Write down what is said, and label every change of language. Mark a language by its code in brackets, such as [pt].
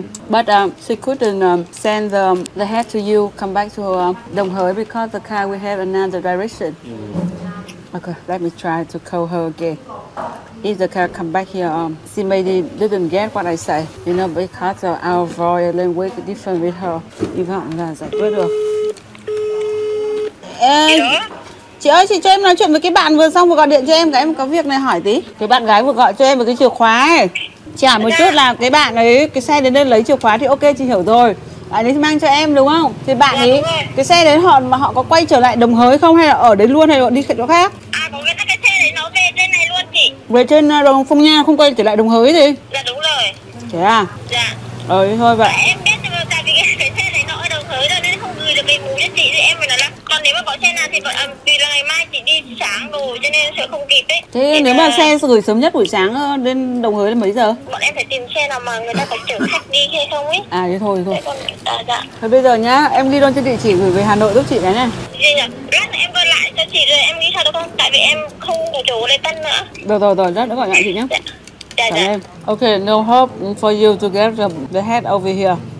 [en] But she couldn't send the head to you, come back to Đồng Hới because the car will have another direction. Mm-hmm. Okay, let me try to call her again. If the car come back here, she maybe didn't get what I say. You know, because our voice language different with her. Even on that side. [vi] Vừa được. Chị ơi, chị cho em nói chuyện với cái bạn vừa xong vừa gọi điện cho em. Cái em có việc này hỏi tí. Cái bạn gái vừa gọi cho em với cái chìa khóa ấy. Chị hỏi một chút là cái bạn ấy, cái xe đến đây lấy chìa khóa thì ok, chị hiểu rồi. Bạn ấy mang cho em đúng không? Thì bạn ấy, cái xe đấy họ mà họ có quay trở lại Đồng Hới không? Hay là ở đấy luôn hay là họ đi chỗ khác? À, có nghĩa là cái xe đấy nó về trên này luôn chị. Về trên đồng Phong Nha, không quay trở lại Đồng Hới gì? Dạ đúng rồi. Thế à? Dạ. Ờ, thì thôi vậy. Dạ, em biết nhưng mà tại vì cái xe này nó ở Đồng Hới rồi nên không gửi được về bù cho chị. Thì em phải nói là còn nếu mà có xe nào thì bọn em... Ngày mai chị đi sáng rồi cho nên sẽ không kịp ấy. Thế nếu mà xe gửi sớm nhất buổi sáng đến Đồng Hới là mấy giờ? Bọn em phải tìm xe nào mà người ta có chở khách đi hay không ấy. À thế thôi thôi. Dạ. Thôi bây giờ nhá, em ghi luôn cho địa chỉ gửi về Hà Nội giúp chị cái này. Gì nhỉ? Lát em gọi lại cho chị rồi em ghi sao được không? Tại vì em không có chỗ lấy tân nữa. Được rồi rồi, lát nữa gọi lại chị nhá. Dạ. Dạ. [en] Okay, no hope for you to get the head over here.